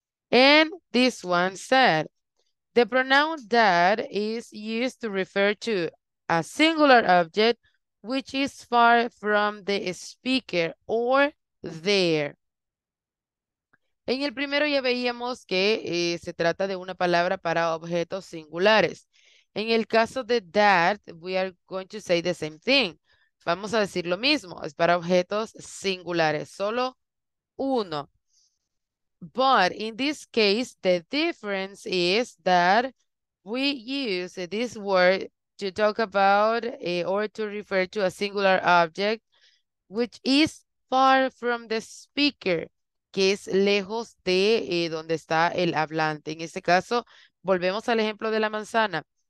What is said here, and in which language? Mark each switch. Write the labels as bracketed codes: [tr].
[en] And this one said, the pronoun that is used to refer to a singular object which is far from the speaker or there. [es] En el primero ya veíamos que se trata de una palabra para objetos singulares. En el caso de [en] that, we are going to say the same thing. [es] Vamos a decir lo mismo, es para objetos singulares, solo uno. [en] But in this case, the difference is that we use this word to talk about or to refer to a singular object which is far from the speaker, [es] que es lejos de donde está el hablante. En este caso, volvemos al ejemplo de la manzana.